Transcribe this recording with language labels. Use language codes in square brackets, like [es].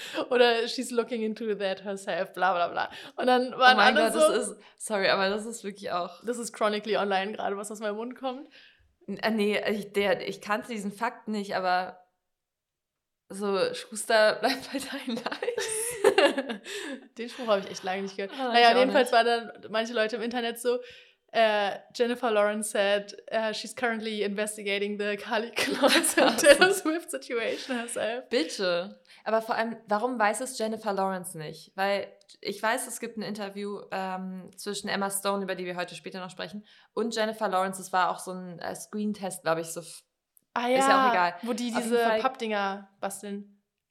[en] Oder she's looking into that herself, bla bla bla. [de] Und dann waren alle so... Oh mein Gott, aber das ist wirklich auch... Das ist chronically online gerade, was aus meinem Mund kommt. Ich kannte diesen Fakt nicht, aber so, Schuster, bleib bei deinem Leid. Den Spruch habe ich echt lange nicht gehört. Naja, jedenfalls waren dann manche Leute im Internet so... [en] Jennifer Lawrence said, she's currently investigating the Carly Kloss and Taylor Swift situation herself. [de] Bitte. Aber vor allem, warum weiß es Jennifer Lawrence nicht? Weil ich weiß, es gibt ein Interview zwischen Emma Stone, über die wir heute später noch sprechen, und Jennifer Lawrence. Es war auch so ein Screen-Test, glaube ich. Ist ja auch egal. Wo die diese Pappdinger basteln.